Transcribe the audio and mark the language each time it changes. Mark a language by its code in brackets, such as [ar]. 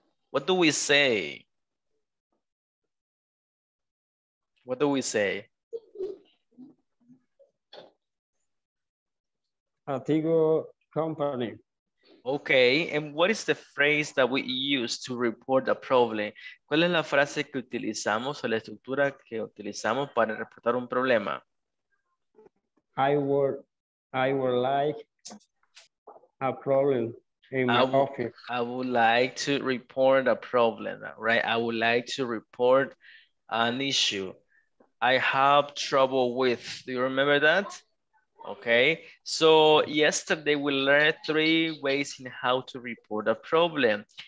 [en] What do we say? What do we say? Antigo company. Okay, and what is the phrase that we use to report a problem? [es] ¿Cuál es la frase que utilizamos o la estructura que utilizamos para reportar un problema? [en] I would like a problem in my office. I would like to report a problem, right? I would like to report an issue. I have trouble with, do you remember that? Okay, so yesterday we learned 3 ways in how to report a problem.